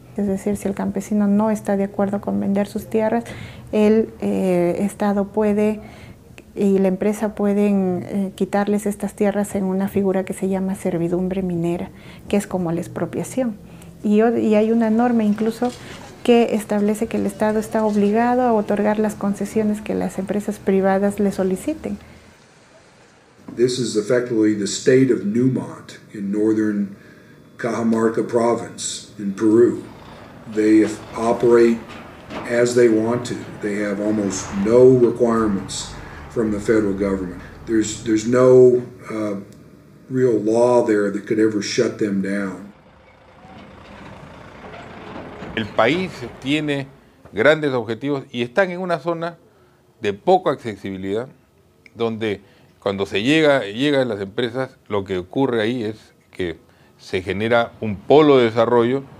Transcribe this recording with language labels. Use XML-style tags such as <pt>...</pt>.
<es>Es decir, si el campesino no está de acuerdo con vender sus tierras, el Estado puede y la empresa pueden quitarles estas tierras en una figura que se llama servidumbre minera, que es como la expropiación. Y hay una norma incluso que establece que el Estado está obligado a otorgar las concesiones que las empresas privadas le soliciten.</es> <en>This is effectively the state of Newmont in northern Cajamarca province in Peru. They operate as they want to. They have almost no requirements from the federal government. There's no real law there that could ever shut them down.</en> <es>El país tiene grandes objetivos y están en una zona de poca accesibilidad, donde cuando se llega a las empresas, lo que ocurre ahí es que se genera un polo de desarrollo.</es>